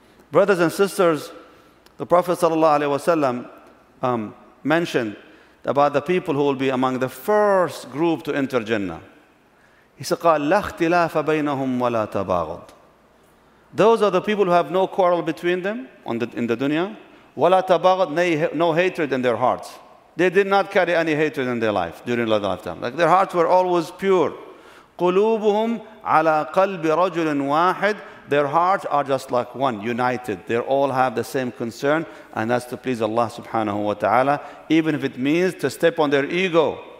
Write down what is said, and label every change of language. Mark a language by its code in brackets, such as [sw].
[en] Brothers and sisters, the Prophet sallallahu alayhi wa sallam mentioned about the people who will be among the first group to enter Jannah. He said, [ar] قَالْ لَا اخْتِلَافَ بَيْنَهُمْ وَلَا تَبَاغُضْ. [en] Those are the people who have no quarrel between them in the dunya. [ar] وَلَا تَبَاغُضْ, [en] no hatred in their hearts. They did not carry any hatred in their life during the lifetime. Like their hearts were always pure. [ar] قُلُوبُهُمْ عَلَىٰ قَلْبِ رَجُلٍ وَاحِدٍ. [en] Their hearts are just like one, united. They all have the same concern, and that's to please Allah subhanahu wa ta'ala, even if it means to step on their ego.